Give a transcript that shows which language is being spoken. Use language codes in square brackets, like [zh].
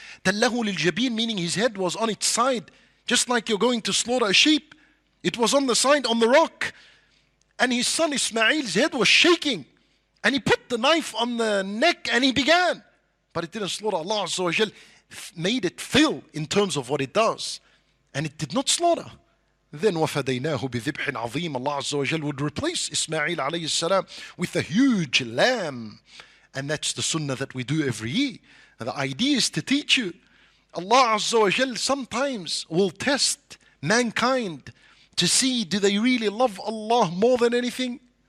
[ar] تَلَّهُ لِلْجَبِينَ, [en] meaning his head was on its side. Just like you're going to slaughter a sheep. It was on the side, on the rock. And his son Ismail's head was shaking. And he put the knife on the neck and he began. But it didn't slaughter. Allah Azza wa Jal made it fail in terms of what it does. And it did not slaughter. [ar] Then وَفَدَيْنَاهُ بِذِبْحٍ عَظِيمٍ. [en] Allah Azza wa Jal would replace Ismail alayhi salam with a huge lamb. And that's the sunnah that we do every year. And the idea is to teach you. Allah Azza wa Jal sometimes will test mankind to see, do they really love Allah more than anything?